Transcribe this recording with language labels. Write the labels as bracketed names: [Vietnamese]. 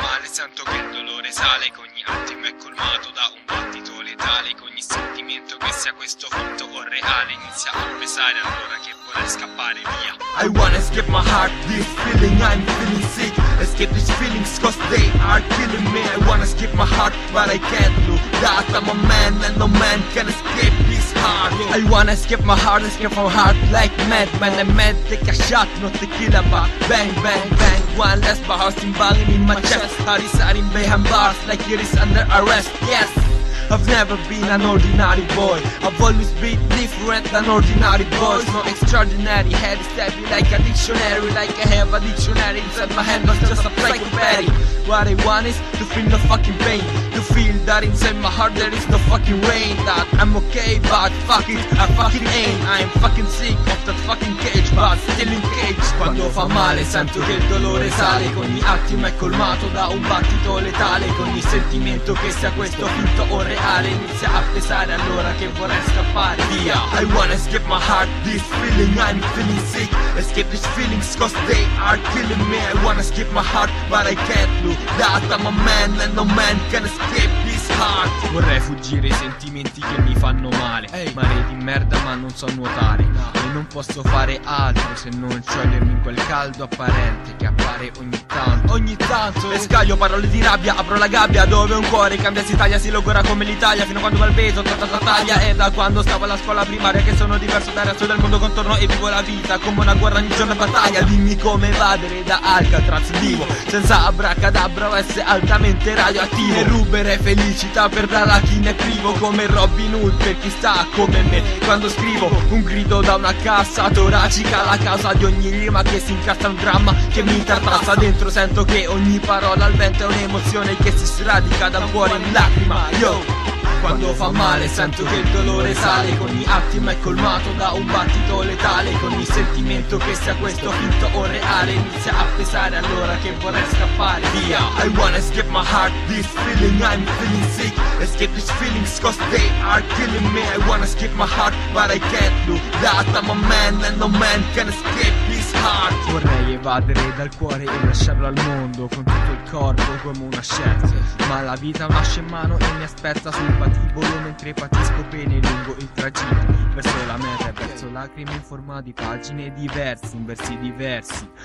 [Italian] sento che il dolore sale, che ogni attimo è colmato da un battito letale, che ogni sentimento, che sia questo fatto o reale, inizia a pesare allora che vorrei scappare via. [English] I wanna escape my heart, this feeling I'm feeling sick. Escape these feelings cause they are killing me. I wanna escape my heart, but I can't do that. I'm a man and no man can escape his heart. I wanna escape my heart, escape from heart like madman. I'm mad, take a shot, no tequila, but bang, bang, bang. One last bar, sin balling in my chest. Heart is hiding behind bars like it is under arrest, yes. I've never been an ordinary boy. I've always been different than ordinary boys. No extraordinary head is heavy like a dictionary. Like I have a dictionary inside my hand, not just a psychopathy. What I want is to feel no fucking pain. To feel that inside my heart there is no fucking rain. That I'm okay, but fuck it, I fucking ain't. I'm fucking sick of that fucking cage, but still in cage. [Italian] Quando fa male sento che il dolore sale, che ogni attimo è colmato da un battito letale, che ogni sentimento che sia questo finto o reale inizia a pesare allora che vorrei scappare via. [English] I wanna escape my heart, this feeling I'm feeling sick. Escape these feelings cause they are killing me. I wanna escape my heart, but I can't do that. I'm a man and no man can escape this heart. [Italian] Vorrei fuggire i sentimenti che mi fanno male, hey. Mare di merda ma non so nuotare, no. E non posso fare altro se non sciogliermi in quel caldo apparente che appare ogni tanto. E scaglio parole di rabbia, apro la gabbia dove un cuore cambia si taglia, si logora come l'Italia. Fino a quando va il peso, tratta taglia. E da quando stavo alla scuola primaria, che sono diverso dal resto del mondo contorno e vivo la vita come una guerra, ogni giorno battaglia. Dimmi come evadere da Alcatraz, vivo senza abracadabra o essere altamente radioattivo. E rubere felicità per dare a chi ne è privo, come Robin Hood per chi sta come me quando scrivo. Un grido da una cassa toracica, la causa di ogni rima che si incastra, un dramma che mi tartassa. Dentro sento che ogni parola al vento è un'emozione che si sradica dal cuore in lacrima, yo. Quando fa male sento che il dolore sale, che ogni attimo è colmato da un battito letale, che ogni sentimento che sia questo finto o reale inizia a pesare allora che vorrei scappare via. I wanna escape my heart, this feeling I'm feeling sick. Escape these feelings cause they are killing me. I wanna escape my heart, but I can't do that. I'm a man and no man can escape his heart. Vorrei evadere dal cuore e lasciarlo al mondo con tutto il corpo come una scienza, ma la vita nasce in mano e mi aspetta sul patibolo mentre patisco pene lungo il tragitto verso la meta e verso lacrime in forma di pagine diverse, in versi diversi.